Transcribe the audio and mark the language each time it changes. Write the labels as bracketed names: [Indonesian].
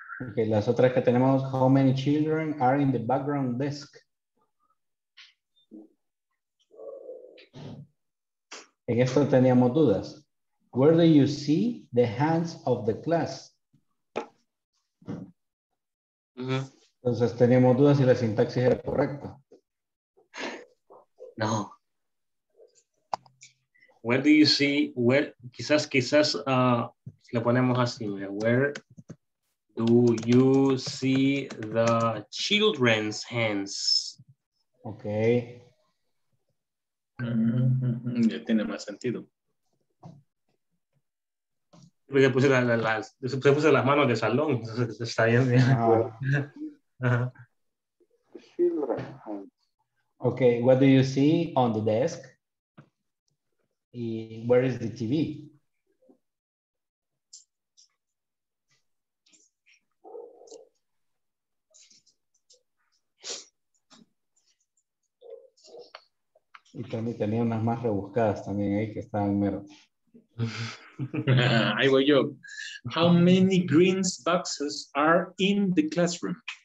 [English] Okay, [Spanish] las otras que tenemos, [English] how many children are in the background desk? [Spanish] En esto teníamos dudas. [English] Where do you see the hands of the class? Uh-huh. [Spanish] Entonces teníamos dudas si la sintaxis era correcta. No. [English] Where do you see, [Spanish] quizás, le ponemos así, [English] where do you see the children's hands? Okay. [Spanish] Mm-hmm. Ya tiene más sentido. Porque puse las manos de salón. Está bien. [English] Children's hands. Okay, what do you see on the desk? Where is the TV? [Spanish] Y también tenía unas más rebuscadas también ahí que estaban mero. Ahí voy yo. [English] How many green boxes are in the classroom?